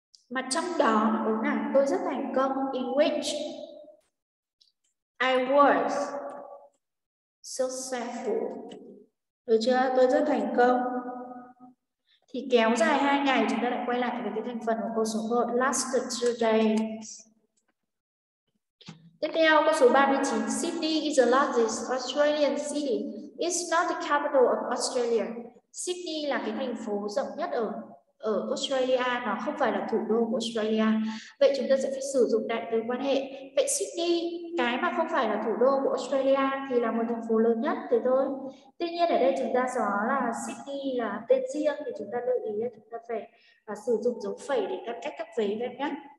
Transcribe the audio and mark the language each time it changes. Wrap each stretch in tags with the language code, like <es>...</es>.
<vi>Mà trong đó đúng là tôi rất thành công,</vi> <en>in which I was successful.</en> <vi>Được chưa? Tôi rất thành công. Thì kéo dài 2 ngày, chúng ta lại quay lại với cái thành phần của câu số 1,</vi> <en>lasted 2 days.</en> <vi>Tiếp theo, câu số 39,</vi> <en>Sydney is the largest Australian city. It's not the capital of Australia.</en> <vi>Sydney là cái thành phố rộng nhất ở ở Australia, nó không phải là thủ đô của Australia. Vậy chúng ta sẽ phải sử dụng đại từ quan hệ. Vậy Sydney, cái mà không phải là thủ đô của Australia thì là một thành phố lớn nhất thế thôi. Tuy nhiên ở đây chúng ta rõ là Sydney là tên riêng, thì chúng ta lưu ý là chúng ta phải sử dụng dấu phẩy để cắt cách các vế em nhé.</vi>